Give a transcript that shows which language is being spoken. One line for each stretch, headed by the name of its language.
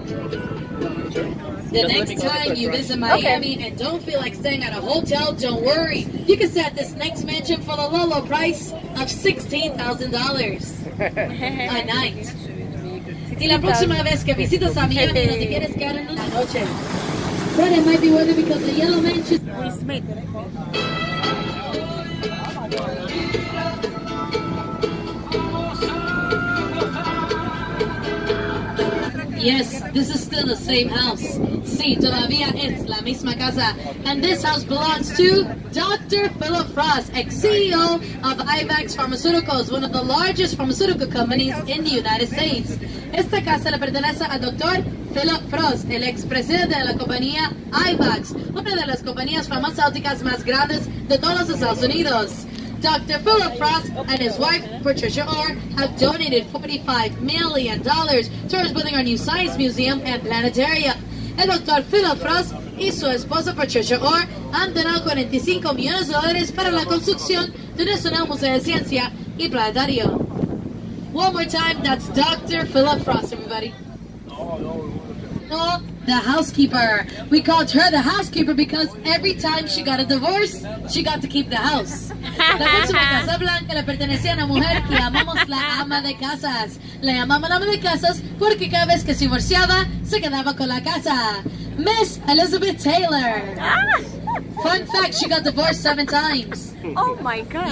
English: The next time you visit Miami and don't feel like staying at a hotel, don't worry. You can stay at this next mansion for the low price of $16,000 a night.
Spanish: Y la próxima vez que visitas a Miami, no te quieres quedar en una noche.
English: But it might be worth it because the yellow mansion. Yes, this is still the same house. see,
Spanish: todavía es la misma casa.
English: And this house belongs to Dr. Philip Frost, ex-CEO of Ivax Pharmaceuticals, one of the largest pharmaceutical companies in the United States.
Spanish: Esta casa le pertenece al Dr. Philip Frost, el expresidente de la compañía Ivax, una de las compañías farmacéuticas más grandes de todos los Estados Unidos.
English: Dr. Philip Frost and his wife, Patricia Orr, have donated $45 million towards building our new science museum and planetarium.
Spanish: El Dr. Philip Frost y su esposa, Patricia Orr, han donado $45 million para la construcción de Nacional Museo de Ciencia y Planetario.
English: One more time, that's Dr. Philip Frost, everybody. The housekeeper. We called her the housekeeper because every time she got a divorce, she got to keep the house.
Spanish: La próxima casa blanca le pertenecía a una mujer que llamamos la ama de casas. La llamamos la ama de casas porque cada vez que se divorciaba, se quedaba con la casa.
English: Miss Elizabeth Taylor. Fun fact, she got divorced 7 times. Oh my God.